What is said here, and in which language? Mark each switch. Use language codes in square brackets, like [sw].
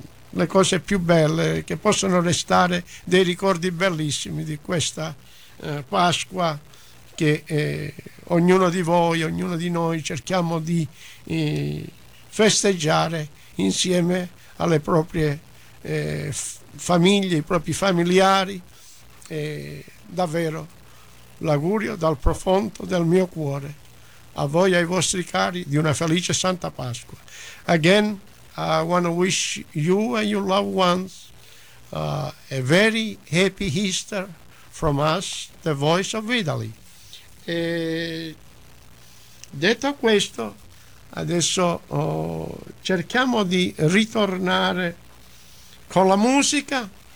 [it] le cose più belle che possono restare, dei ricordi bellissimi di questa Pasqua che ognuno di voi, ognuno di noi cerchiamo di festeggiare insieme alle proprie famiglie, i propri familiari. Davvero l'augurio dal profondo del mio cuore a voi e ai vostri cari di una felice Santa Pasqua. [en] Again, I want to wish you and your loved ones a very happy Easter from us, the Voice of Italy. [it] E detto questo, adesso cerchiamo di ritornare con la musica.